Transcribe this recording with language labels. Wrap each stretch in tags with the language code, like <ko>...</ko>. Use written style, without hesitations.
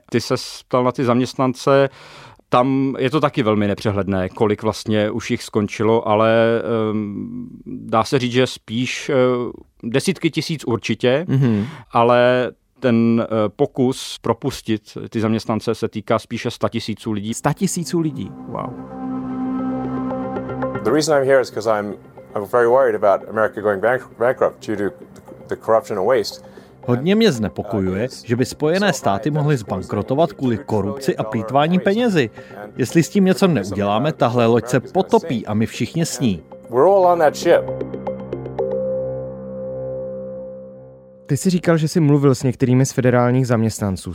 <cs>Ty se ptal na ty zaměstnance, tam je to taky velmi nepřehledné, kolik vlastně už jich skončilo, ale dá se říct, že spíš desítky tisíc určitě, ale ten pokus propustit ty zaměstnance se týká spíše 100 000 lidí. 100 000 lidí, wow.</cs> <en>The reason I'm here is because I'm very worried about America going bankrupt due to the corruption and waste.</en> <cs>Hodně mě znepokojuje, že by Spojené státy mohly zbankrotovat kvůli korupci a plýtvání penězi. Jestli s tím něco neuděláme, tahle loď se potopí a my všichni s ní. Ty jsi říkal, že jsi mluvil s některými z federálních zaměstnanců.</cs>